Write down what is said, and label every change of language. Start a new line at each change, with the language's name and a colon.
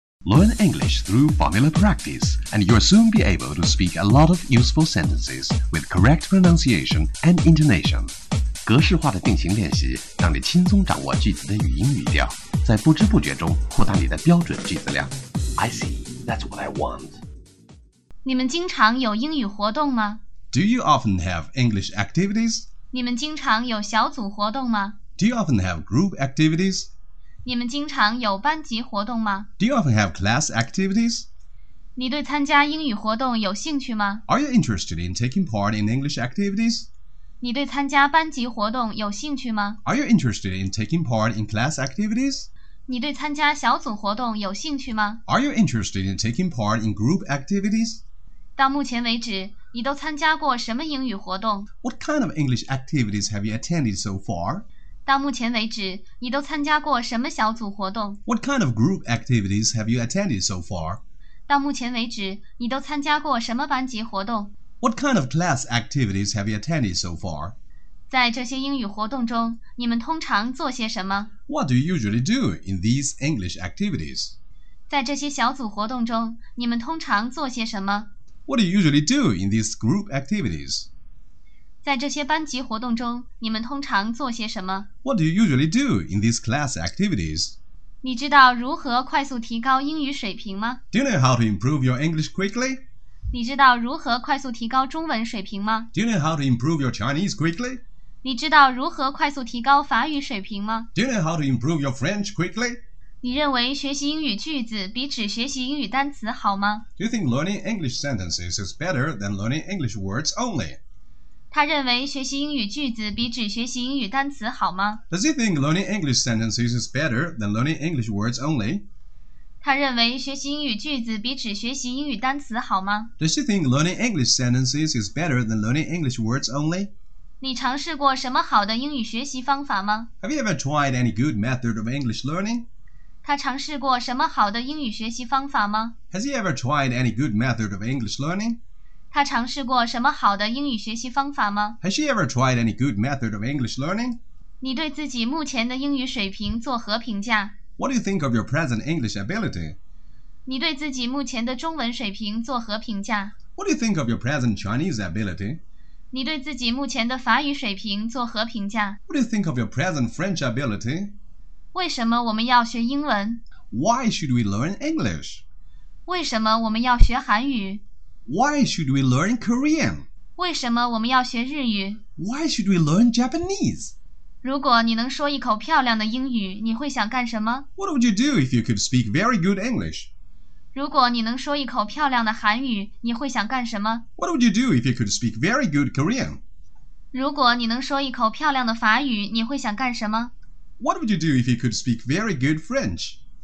English: Learn English through familiar practice, and you'll soon be able to speak a lot of useful sentences with correct pronunciation and intonation.
Chinese: 格式化的定型练习让你轻松掌握句子的语音语调，在不知不觉中扩大你的标准句子量。
English: I see, that's what I want.
Chinese: 你们经常有英语活动吗？
English: Do you often have English activities?
Chinese: 你们经常有小组活动吗？
English: Do you often have group activities?
Chinese: 你们经常有班级活动吗?
English: Do you often have class activities?
Chinese: 你对参加英语活动有兴趣吗?
English: Are you interested in taking part in English activities?
Chinese: 你对参加班级活动有兴趣吗?
English: Are you interested in taking part in class activities?
Chinese: 你对参加小组活动有兴趣吗?
English: Are you interested in taking part in group activities?
Chinese: 到目前为止,你都参加过什么英语活动?
English: What kind of English activities have you attended so far?
Chinese: 到目前为止，你都参加过什么小组活动
English: ？What kind of group activities have you attended so far？
Chinese: 到目前为止，你都参加过什么班级活动
English: ？What kind of class activities have you attended so far？
Chinese: 在这些英语活动中，你们通常做些什么
English: ？What do you usually do in these English activities？
Chinese: 在这些小组活动中，你们通常做些什么
English: ？What do you usually do in these group activities？
Chinese: 在这些班级活动中，你们通常做些什么
English: ？What do you usually do in these class activities？
Chinese: 你知道如何快速提高英语水平吗
English: ？Do you know how to improve your English quickly？
Chinese: 你知道如何快速提高中文水平吗
English: ？Do you know how to improve your Chinese quickly？
Chinese: 你知道如何快速提高法语水平吗
English: ？Do you know how to improve your French quickly？
Chinese: 你认为学习英语句子比只学习英语单词好吗
English: ？Do you think learning English sentences is better than learning English words only？
Chinese: 他认为学习英语句子比只学习英语单词好吗
English: ？Does he think learning English sentences is better than learning English words only？
Chinese: 他认为学习英语句子比只学习英语单词好吗
English: ？Does he think learning English sentences is better than learning English words only？
Chinese: 你尝试过什么好的英语学习方法吗
English: ？Have you ever tried any good method of English learning？
Chinese: 他尝试过什么好的英语学习方法吗
English: ？Has he ever tried any good method of English learning？
Chinese: 他尝试过什么好的英语学习方法吗
English: ？Has she ever tried any good method of English learning？
Chinese: 你对自己目前的英语水平作何评价
English: ？What do you think of your present English ability？
Chinese: 你对自己目前的中文水平作何评价
English: ？What do you think of your present Chinese ability？
Chinese: 你对自己目前的法语水平作何评价
English: ？What do you think of your present French ability？
Chinese: 为什么我们要学英文
English: ？Why should we learn English？
Chinese: 为什么我们要学韩语？
English: Why should we learn Korean?
Chinese: 为什么我们要学日语
English: ？Why should we learn Japanese?
Chinese: 如果你能说一口漂亮的英语，你会想干什么
English: ？What would you do if you could speak very good English?
Chinese: 如果你能说一口漂亮的韩语，你会想干什么
English: ？What would you do if you could speak very good Korean?
Chinese: 如果你能说一口漂亮的法语，你会想干什么
English: ？What would you do if you could speak very good French?